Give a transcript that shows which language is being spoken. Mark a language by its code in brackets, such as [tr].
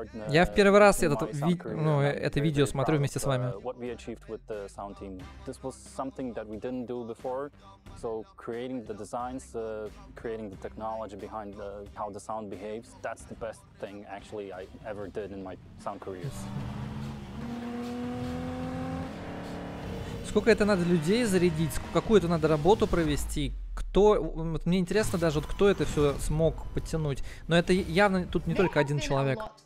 [ru] Я в первый раз это видео смотрю вместе с вами. [en] What we achieved with the sound team. This was something that we didn't do before. So creating the designs, creating the technology behind how the sound behaves, that's the best thing actually I ever did in my sound career. [ru] Сколько это надо людей зарядить, какую это надо работу провести, кто, вот мне интересно даже, вот кто это все смог подтянуть, но это явно тут не только один человек.